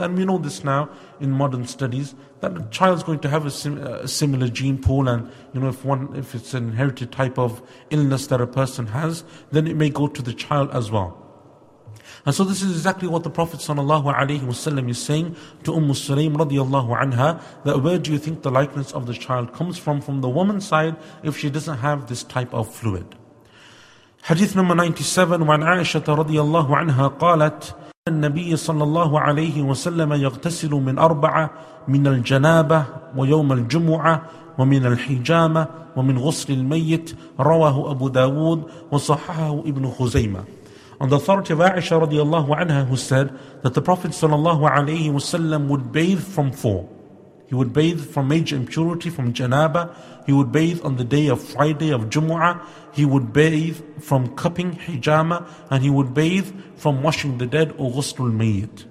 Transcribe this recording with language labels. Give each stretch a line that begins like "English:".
English: And we know this now in modern studies, that a child's going to have a similar gene pool, and you know, if it's an inherited type of illness that a person has, then it may go to the child as well. And so this is exactly what the Prophet ﷺ is saying to Umm Sulaym radiallahu anha, that where do you think the likeness of the child comes from the woman's side, if she doesn't have this type of fluid? Hadith number 97,
Arabic: وعن عائشة رضي الله عنها قالت النبي صلى الله عليه وسلم يغتسل من أربعة من الجنابة ويوم الجمعة ومن الحجامة ومن غسل الميت رواه أبو داود وصححه ابن خزيمة.
English: On the authority of Aisha radiallahu anha, who said that the Prophet sallallahu alayhi wasallam would bathe from four. He would bathe from major impurity, from janaba. He would bathe on the day of Friday of Jumu'ah. He would bathe from cupping, hijama. And he would bathe from washing the dead, or ghuslul mayyit.